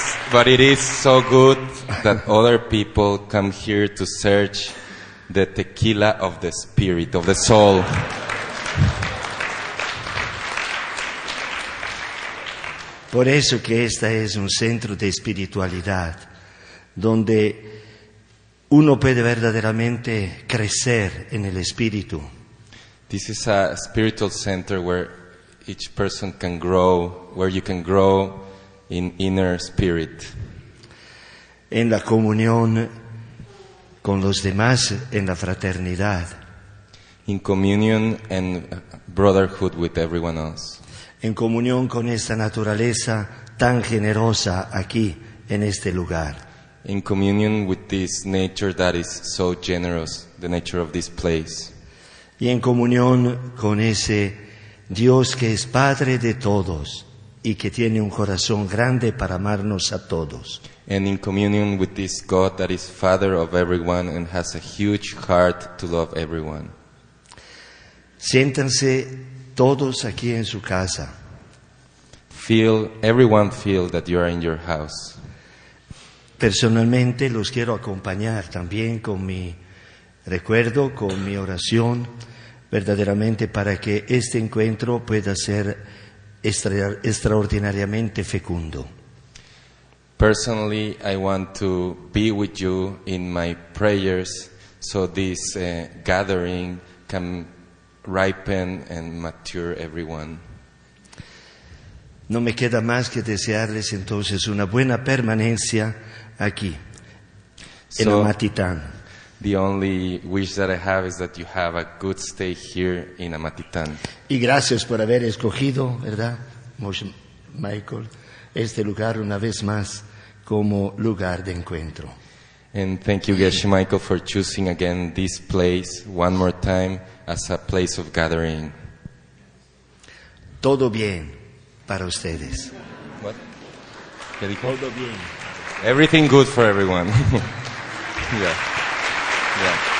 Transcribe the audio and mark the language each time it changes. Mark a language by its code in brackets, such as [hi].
[en] But it is so good that other people come here to search the tequila of the spirit, of the soul. [es] Por eso que esta es un centro de espiritualidad donde uno puede verdaderamente crecer en el espíritu. [en] This is a spiritual center where each person can grow, where you can grow in inner spirit. [es] En la comunión con los demás, en la fraternidad. [en] In communion and brotherhood with everyone else. [es] En comunión con esta naturaleza tan generosa aquí en este lugar. [en] In communion with this nature that is so generous, the nature of this place. [es] Y en comunión con ese Dios que es padre de todos y que tiene un corazón grande para amarnos a todos. [en] And in communion with this God that is father of everyone and has a huge heart to love everyone. [es] Siéntanse todos aquí en su casa. [en] Everyone feel that you are in your house. [es] Personalmente los quiero acompañar también con mi recuerdo, con mi oración, verdaderamente para que este encuentro pueda ser extraordinariamente fecundo. [en] Personally, I want to be with you in my prayers so this gathering can ripen and mature everyone. [es] No me queda más que desearles entonces una buena permanencia aquí, en Amatitán. [en] The only wish that I have is that you have a good stay here in Amatitán. [es] Y gracias por haber escogido, ¿verdad, Moshe Michael, este lugar una vez más como lugar de encuentro. [en] And thank you, Geshe Michael, for choosing again this place one more time as a place of gathering. [es] Todo bien para ustedes. [en] What? [es] ¿Qué dijo? Todo bien. [en] Everything good for everyone. Yeah. Yeah.